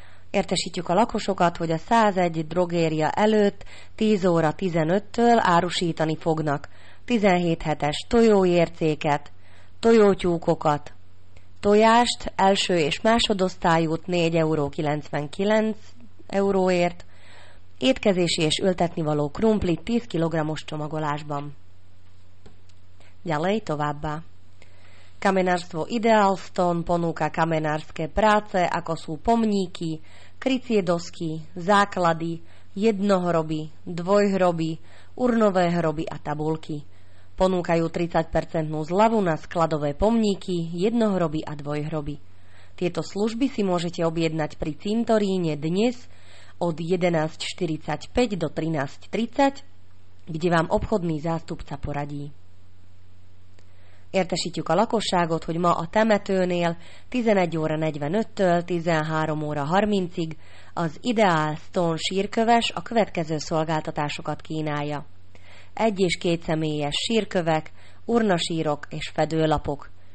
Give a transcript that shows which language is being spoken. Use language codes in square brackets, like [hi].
[hu] Értesítjük a lakosokat, hogy a 101 drogéria előtt 10 óra 15-től árusítani fognak 17 hetes tojóércéket, tojótyúkokat, tojást első és másodosztályút 4,99 €, étkezési és ültetnivaló krumplit 10 kg-os csomagolásban. [sk] Ďalej [hu] továbbá. [sk] Kamenárstvo Idealstone ponúka kamenárske práce, ako sú pomníky, krycie dosky, základy, jednohroby, dvojhroby, urnové hroby a tabulky. Ponúkajú 30% zľavu na skladové pomníky, jednohroby a dvojhroby. Tieto služby si môžete objednať pri cintoríne dnes od 11.45 do 13.30, kde vám obchodný zástupca poradí. [hu] Értesítjük a lakosságot, hogy ma a temetőnél 11 óra 45-től 13 óra 30-ig az Ideál Stone sírköves a következő szolgáltatásokat kínálja. 1- és 2 személyes sírkövek, urnasírok és fedőlapok.